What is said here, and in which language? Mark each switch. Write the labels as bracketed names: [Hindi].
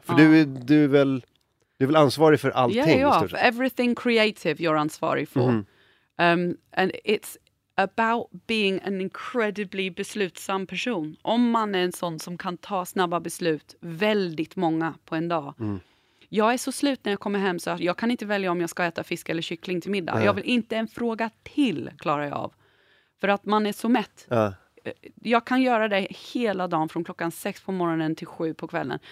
[Swedish] För du är väl ansvarig för allting. [English] Yeah, you are. Everything creative you're [Swedish] ansvarig för. [English] Mm-hmm. And it's about being an incredibly beslutsam person. [Swedish] Om man är en sån som kan ta snabba beslut, väldigt många på en dag. Mm. Jag är så slut när jag kommer hem så jag kan inte välja om jag ska äta fisk eller kyckling till middag. Jag vill inte en fråga till klarar jag av. För att man är så mätt. Jag kan göra det hela dagen från klockan 6 på morgonen till 7 på kvällen.